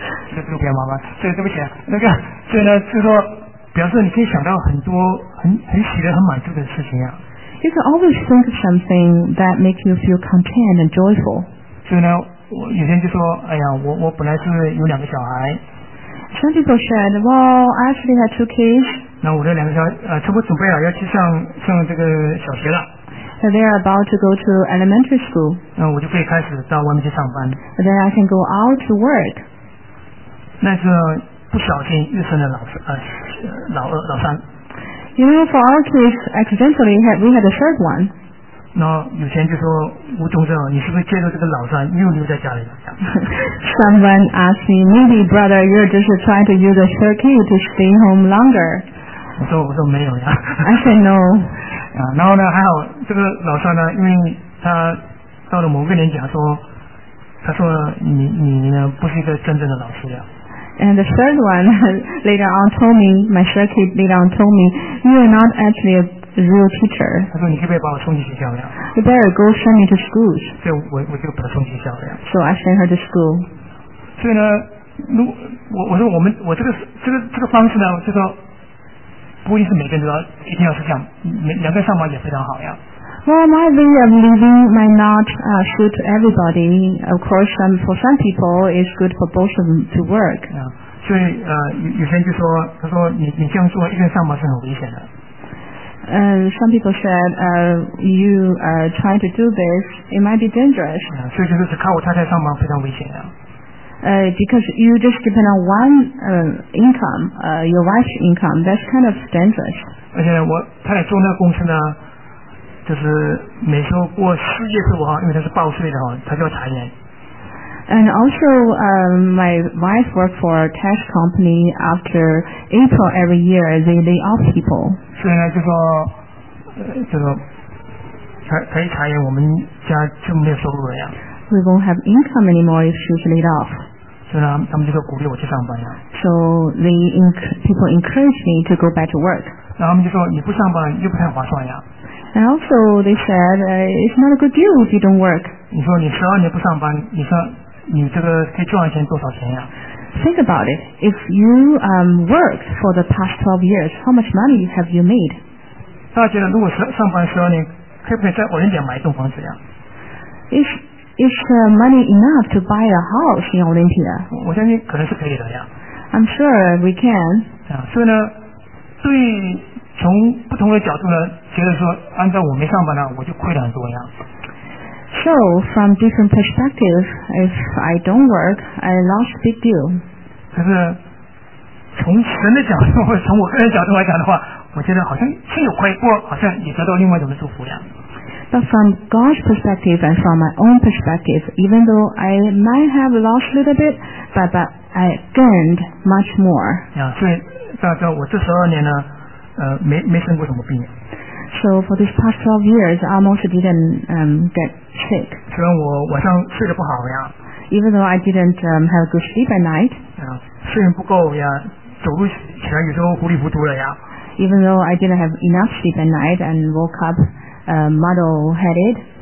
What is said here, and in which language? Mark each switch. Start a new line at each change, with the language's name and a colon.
Chinese: 这不给妈妈，对，对不起，那个，所以呢，就说表示你可以想到很多很喜乐、很满足的事情呀。
English: You can always think of something that makes you feel content and joyful.
Chinese: 所以呢，我有些人就说，哎呀，我本来是有两个小孩。
English: Some people said, well, I actually had two kids.
Chinese: 那我的两个小孩，差不多准备好要去上这个小学了。
English: So they are about to go to elementary school.
Chinese: 那我就可以开始到外面去上班。
English: But then I can go out to work.
Chinese: 那是不小心又生了老二、老三。
English: You know, for our case, accidentally, we had a third one.
Chinese: 那有钱就说吴宗正，你是不是借着这个老三又留在家里了
English: ？Someone asked me, maybe brother, you're just trying to use a third kid to stay home longer.
Chinese: 我说没有呀。
English: I said no.
Chinese: 然后呢，还好这个老三呢，因为他到了某个年纪，他说你呢不是一个真正的老师呀。
English: And the third one later on told me, my third kid later on told me, you are not actually a real teacher.
Chinese: 他说你可不可以把我送去学校呀？
English: You better go send me to school.
Chinese: 所以我就把他送去学校了呀。
English: So I sent her to school.
Chinese: 所以呢，我说我这个方式呢，就说不一定是每个人都要一定要是这样，两个人上班也非常好呀。
English: Well, my way of living might not suit everybody. Of course, for some people, it's good for both of them to work.
Chinese: So, 有些人就说，他说你这样做一个人上班是很危险的。
English: Some people said, you are trying to do this, it might be dangerous.
Chinese: 所以就是只靠我太太上班非常危险的。
English: Because you just depend on one income, your wife's income, that's kind of dangerous.
Chinese: 而且我太太做那个公司呢。就是每次过四月十五号，因为他是报税的哈，他就要裁员。
English: And also, my wife worked for a tax company. After April every year, they lay off people.
Chinese: 所以呢，就说这个可以裁员，我们家就没有收入了呀。
English: We won't have income anymore if she's laid off.
Chinese: 所以呢，他们就说鼓励我去上班呀。
English: So they people encourage me to go back to work.
Chinese: 然后他们就说你不上班又不太划算呀。
English: And also they said it's not a good deal if you don't work.
Chinese: 你说你十二年不上班，你说你这个可以赚钱多少钱呀？
English: Think about it. If you worked for the past 12 years, how much money have you made?
Chinese: 大家觉得如果上班十二年，可不可以在奥林匹亚买一栋房子呀？
English: Is the money enough to buy a house in Olympia?
Chinese: 我相信可能是可以的呀。
English: I'm sure we can.
Chinese: 所以呢，对。从不同的角度呢，觉得说，按照我没上班呢，我就亏了很多呀。
English: So from different perspectives, if I don't work, I lost a big deal.
Chinese: 可是从神的角度，或者从我个人角度来讲的话，我觉得好像是有亏，不过好像也得到另外一种的祝福呀。
English: But from God's perspective and from my own perspective, even though I might have lost a little bit, but I gained much more.
Chinese: Yeah, 所以大概我这十二年呢，没生过什么病。
English: So for these past 12 years, I almost didn't get sick.
Chinese: 虽然我晚上睡得不好呀。
English: Even though I didn't have good sleep at night.
Chinese: 睡眠不够呀，走路起来有时候糊里糊涂了呀。
English: Even though I didn't have enough sleep at night and woke up muddle-headed.